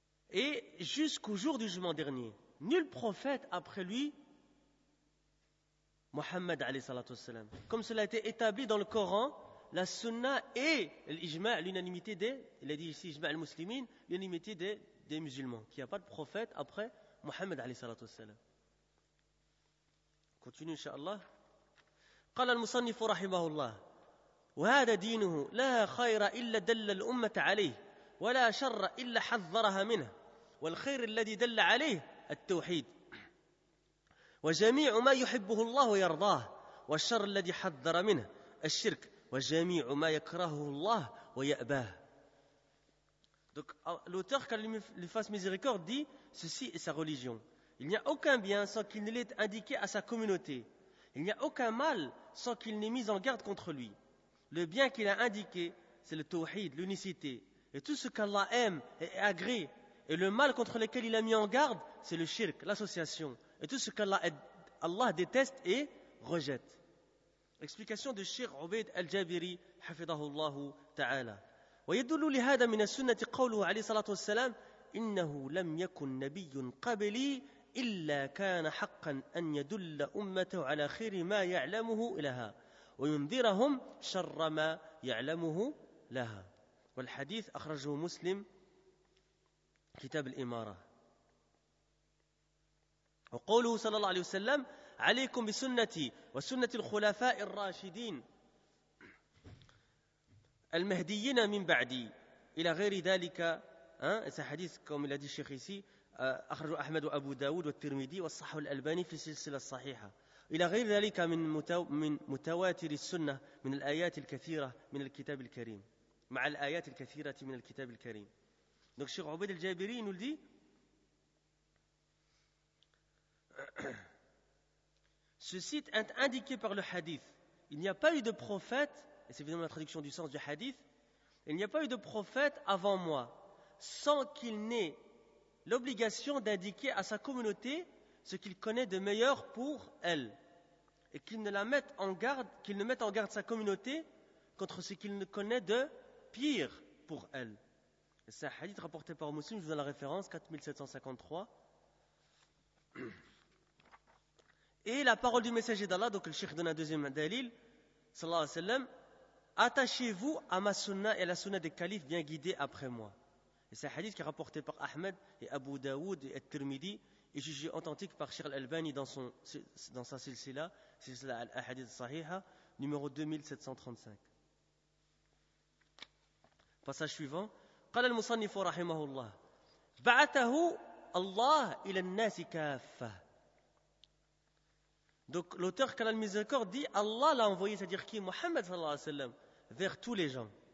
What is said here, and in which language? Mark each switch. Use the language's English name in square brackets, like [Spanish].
[French] Et jusqu'au jour du jugement dernier, nul prophète après lui, Mohammed alayhi salatu wassalam. Comme cela a été établi dans le Coran, la sunna et l'ijma, l'unanimité des, il a dit ici ijma al-muslimin, l'unanimité des musulmans, qu'il n'y a pas de prophète après Mohammed alayhi salatu wassalam. Continue, inshallah. [Arabic] قال المصنف رحمه الله وهذا دينه لا خير إلا دل الأمة عليه ولا شر إلا حذرها منه والخير الذي دل عليه التوحيد وجميع ما يحبه الله ويرضاه والشر الذي حذر منه الشرك وجميع ما يكرهه الله ويأباه. [French] Donc l'auteur, quand lui fasse miséricorde, dit ceci est sa religion. Il n'y a aucun bien sans qu'il ne l'ait indiqué à sa communauté. Il n'y a aucun mal sans qu'il n'ait mis en garde contre lui. Le bien qu'il a indiqué, c'est le tawhid, l'unicité, et tout ce qu'Allah aime et agrée. Et le mal contre lequel il a mis en garde, c'est le shirk, l'association, et tout ce qu'Allah déteste et rejette. Explication de Cheikh Obaid al-Jabiri, hafidahullah ta'ala. [Arabic] ويدل لهذا من السنة قوله عليه الصلاة والسلام إنه لم يكن نبي قبلي إلا كان حقا أن يدل أمته على خير ما يعلمه لها وينذرهم شر ما يعلمه لها. والحديث أخرجه مسلم كتاب الإمارة. وقوله صلى الله عليه وسلم عليكم بسنتي وسنة الخلفاء الراشدين المهديين من بعدي إلى غير ذلك. هذا حديث كما قال الشيخ [French] ici [Arabic] أخرج أحمد وأبو داود والترمذي والصحيح الألباني في السلسلة الصحيحة إلى غير ذلك من متواتر السنة من الآيات الكثيرة من الكتاب الكريم مع الآيات الكثيرة من الكتاب الكريم. [French] Donc Cheikh Obaid al-Jabiri nous le dit, ce site est indiqué par le hadith. Il n'y a pas eu de prophète, et c'est évidemment la traduction du sens du hadith, il n'y a pas eu de prophète avant moi sans qu'il n'ait l'obligation d'indiquer à sa communauté ce qu'il connaît de meilleur pour elle, et qu'il ne mette en garde sa communauté contre ce qu'il ne connaît de pire pour elle. C'est un hadith rapporté par Muslim, je vous donne la référence, 4753. Et la parole du messager d'Allah, donc le Cheikh donne un deuxième dalil, sallallahu alayhi wa sallam, attachez-vous à ma sunna et à la sunna des califes bien guidés après moi. Et c'est un hadith qui est rapporté par Ahmed et Abu Dawood et Al-Tirmidhi, et jugé authentique par Cheikh Al-Albani dans sa silsila, silsila Al-Hadith Sahiha, numéro 2735. Passage suivant. [Arabic] قال المصنف رحمه الله بعثه الله إلى الناس كافة. [French] Donc l'auteur qu'a la miséricorde dit Allah l'a envoyé, c'est-à-dire qui Mohammed sallallahu alayhi wa sallam, vers tous les gens.